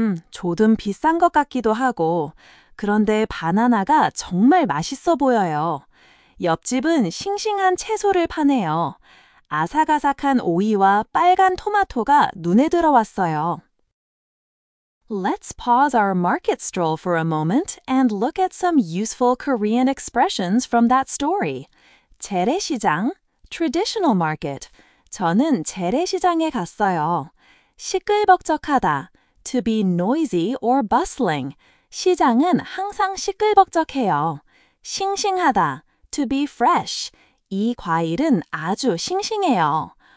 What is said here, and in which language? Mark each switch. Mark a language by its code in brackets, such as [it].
[ko] 조금 비싼 것 같기도 하고 그런데 바나나가 정말 맛있어 보여요. 옆집은 싱싱한 채소를 파네요. 아삭아삭한 오이와 빨간 토마토가 눈에 들어왔어요. [en] Let's pause our market stroll for a moment and look at some useful Korean expressions from that story. [ko] 재래시장, [en] traditional market. [ko] 저는 재래시장에 갔어요. 시끌벅적하다, [en] to be noisy or bustling. [ko] 시장은 항상 시끌벅적해요. 싱싱하다, [en] to be fresh. [ko] 이 과일은 아주 싱싱해요.